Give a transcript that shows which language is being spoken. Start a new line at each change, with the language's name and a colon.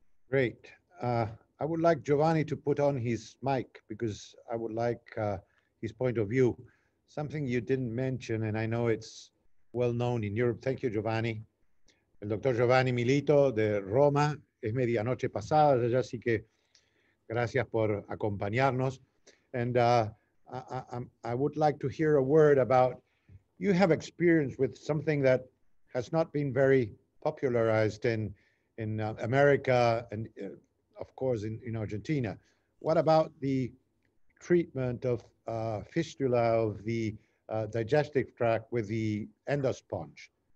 English: Great. I would like Giovanni to put on his mic because I would like his point of view. Something you didn't mention, and I know it's well known in Europe. Thank you,
Spanish: Giovanni. El doctor Giovanni Milito de Roma. Es medianoche pasada, así que gracias por acompañarnos.
English: And I would like to hear a word about, you have experience with something that has not been very popularized in America and of course in Argentina. What about the treatment of fistula of the digestive tract with the endosponge?